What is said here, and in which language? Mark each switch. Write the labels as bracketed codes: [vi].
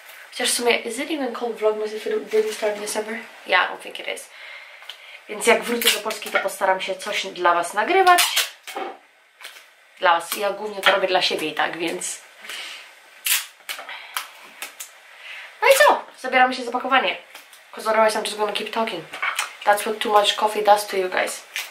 [pl] Chociaż w sumie, [en] is it even called vlogmas if it didn't start in December? Yeah, I don't think it is. [pl] Więc jak wrócę do Polski, to postaram się coś dla was nagrywać. Dla was. Ja głównie to robię dla siebie i tak, więc... No i co? Zabieramy się za pakowanie. [en] Cause otherwise I'm just gonna keep talking. That's what too much coffee does to you guys.